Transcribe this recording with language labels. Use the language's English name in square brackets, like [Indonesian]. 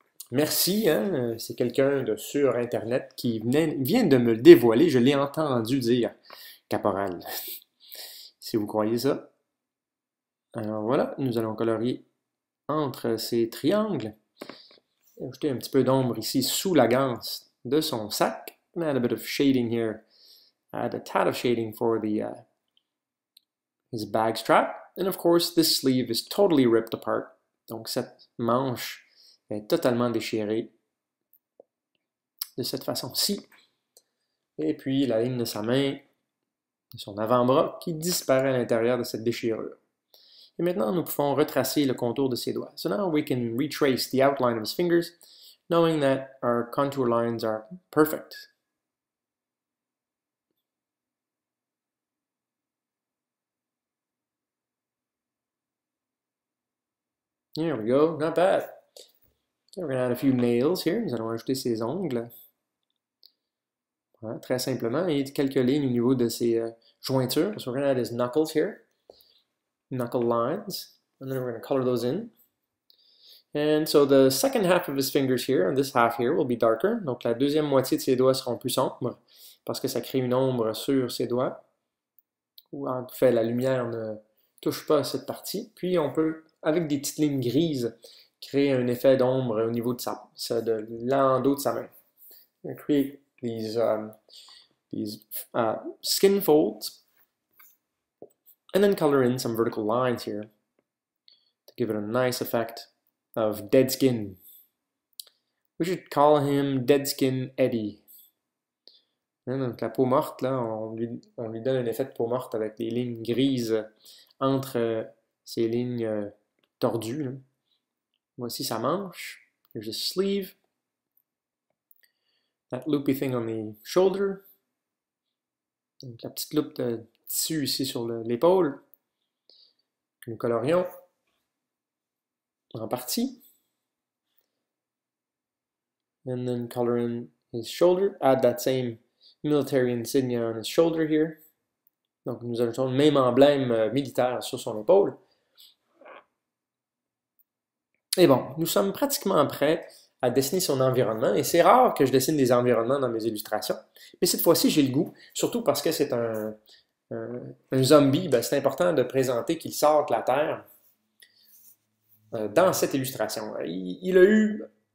[French] Merci, hein? C'est quelqu'un de sur Internet qui vient de me le dévoiler. Je l'ai entendu dire caporal. Si vous croyez ça. Alors voilà, nous allons colorier entre ces triangles. Ajouter un petit peu d'ombre ici sous la ganse de son sac. [English] Add a bit of shading here. Add a tad of shading for the his bag strap. And of course, this sleeve is totally ripped apart. [French] Donc cette manche est totalement déchirée de cette façon-ci. Et puis la ligne de sa main, de son avant-bras, qui disparaît à l'intérieur de cette déchirure. Et maintenant, nous pouvons retracer le contour de ses doigts. [English] So now we can retrace the outline of his fingers, knowing that our contour lines are perfect. Here we go, not bad. We're going to add a few nails here. [French] Nous allons ajouter ses ongles. Voilà, très simplement, et quelques lignes au niveau de ses jointures. [English] So we're going to add his knuckles here. Knuckle lines. And then we're going to color those in. And so the second half of his fingers here, and this half here, will be darker. [French] Donc la deuxième moitié de ses doigts seront plus sombres, parce que ça crée une ombre sur ses doigts. Ou en fait, la lumière ne touche pas cette partie. Puis on peut, avec des petites lignes grises, créer un effet d'ombre au niveau de ça, de l'endos de sa main. On crée [English] these skin folds. And then color in some vertical lines here to give it a nice effect of dead skin. We should call him Dead Skin Eddie. [French] Donc la peau morte, là, on lui donne un effet de peau morte avec des lignes grises entre ces lignes tordues. Là. Voici sa manche. [English] Here's his sleeve. That loopy thing on the shoulder. [French] Donc la petite loupe de tissu ici sur l'épaule. Nous colorions en partie. [English] And then color in his shoulder. Add that same military insignia on his shoulder here. [French] Donc nous ajoutons le même emblème militaire sur son épaule. Et bon, nous sommes pratiquement prêts à dessiner son environnement. Et c'est rare que je dessine des environnements dans mes illustrations. Mais cette fois-ci, j'ai le goût. Surtout parce que c'est un zombie. Ben, c'est important de présenter qu'il sort de la Terre dans cette illustration. Il a eu...